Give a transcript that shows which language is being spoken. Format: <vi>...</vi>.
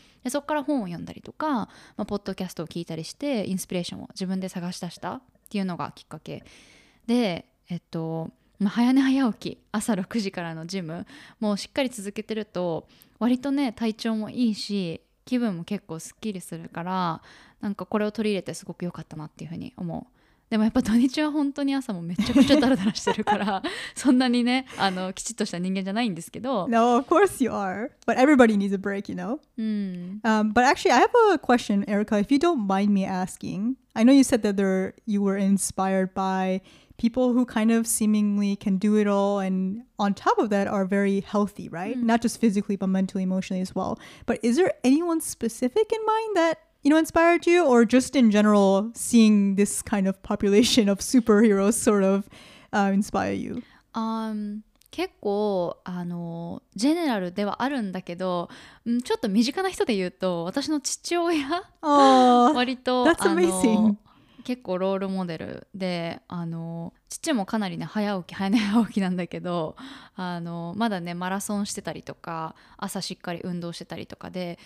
<ja>でそこから本を読んだりとか、まあ、ポッドキャストを聞いたりしてインスピレーションを自分で探し出したっていうのがきっかけで早寝早起き朝6時からのジムもうしっかり続けてると割とね体調もいいし気分も結構すっきりするからなんかこれを取り入れてすごく良かったなっていうふうに思うでもやっぱ土日は本当に朝もめちゃくちゃダラダラしてるからそんなにねきちっとした人間じゃないんですけど</ja> <en>No, of course you are. But everybody needs a break, you know?、But actually, I have a question, Erica, if you don't mind me asking. I know you said that you were inspired by people who kind of seemingly can do it all and on top of that are very healthy, right?、Mm. Not just physically, but mentally, emotionally as well. But is there anyone specific in mind that... You know, inspired you or just in general seeing this kind of population of superheroes sort of inspire you?</en> <ja>結構ジェネラルではあるんだけど、ちょっと身近な人で言うと私の父親割と</ja> <en>That's amazing.</en> <ja>結構ロールモデルで父もかなりね早起き早寝早起きなんだけどまだねマラソンしてたりとか朝しっかり運動してたりとかで</ja>